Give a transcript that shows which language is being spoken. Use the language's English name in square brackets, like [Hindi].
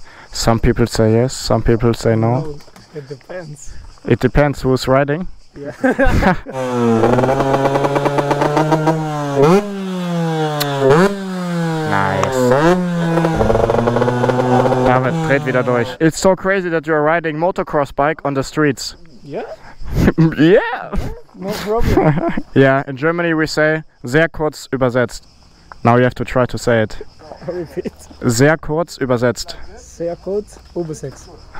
[English] Some people say yes, some people say no. It depends. It depends who's riding. Nice. [German] David, dreht wieder durch. [English] It's so crazy that you are riding motocross bike on the streets. Yeah. Yeah. No problem. Yeah, in Germany we say, [German] sehr kurz übersetzt. [English] Now you have to try to say it. Repeat. [German] Sehr kurz übersetzt. Sehr kurz übersetzt.